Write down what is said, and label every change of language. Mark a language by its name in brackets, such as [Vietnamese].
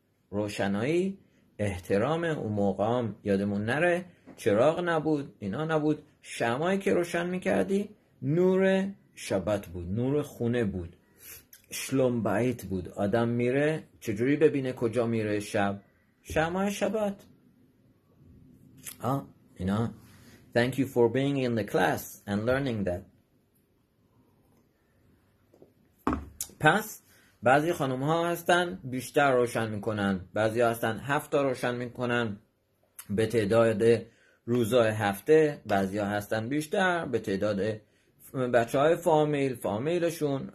[Persian] روشنایی احترام. اون موقع هم یادمون نره چراغ نبود، اینا نبود، شمایی که روشن میکردی نور شبت بود، نور خونه بود، شلوم بیت بود. آدم میره چجوری ببینه کجا میره شب؟ شمای شبت. [English] اینا Thank you for being in the class and learning that. [Persian] پس بعضی خانوم ها هستن بیشتر روشن میکنن، بعضی هستن هفت تا روشن میکنن به تعداد روزای هفته، بعضی هستن بیشتر به تعداد بچه های فامیلشون.